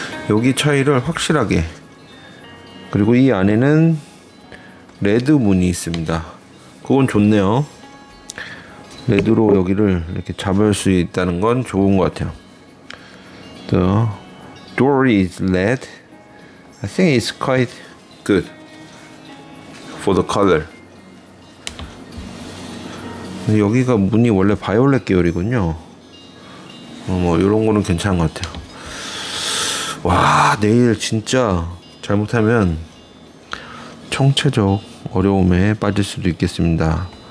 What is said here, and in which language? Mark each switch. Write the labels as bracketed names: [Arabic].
[Korean] 여기 차이를 확실하게, 그리고 이 안에는 레드 문이 있습니다. 그건 좋네요. 레드로 여기를 이렇게 잡을 수 있다는 건 좋은 것 같아요. [English] The door is red. I think it's quite good for the color. [Korean] 여기가 문이 원래 바이올렛 계열이군요. 뭐 이런 거는 괜찮은 것 같아요. 와 내일 진짜 잘못하면 총체적 어려움에 빠질 수도 있겠습니다.